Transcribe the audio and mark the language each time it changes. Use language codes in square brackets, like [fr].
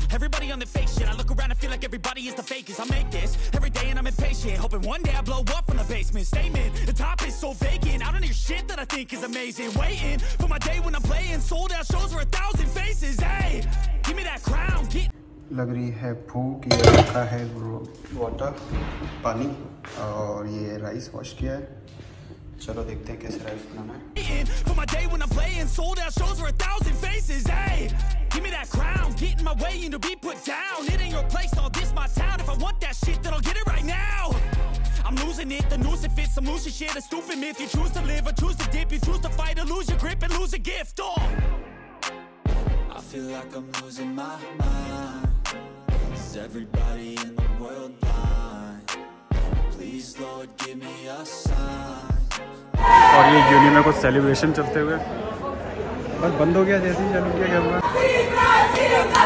[en] Everybody on the fake shit, I look around and feel like everybody is the fakest. I make this every day and I'm impatient, hoping one day I blow up from the basement. Statement, the top is so vacant, I don't hear shit that I think is amazing. Waiting for my day when I'm playing sold out shows for 1,000 faces. Hey, give me that crown. [hi] लग रही है भूख, ये रखा है water पानी, और ये राइस वॉश किया है, चलो देखते हैं कैसे राइस बनाना है। [en] For my day when I'm playing sold out shows for 1,000 faces. Hey, give me that crown, get in my way and to be put down. It ain't your place, all this my town. If I want that shit, then I'll get it right now. I'm losing it, the noose it fits, some loose shit, a stupid myth. You choose to live or choose to dip, you choose to fight or lose your grip and lose a gift. Oh. I feel like I'm losing my mind. Is everybody in the world blind? Please, Lord, give me a sign. [hi] और ये union में कुछ celebration चलते हुए, बस बंद हो गया, जैसे ही चालू किया गया हुआ।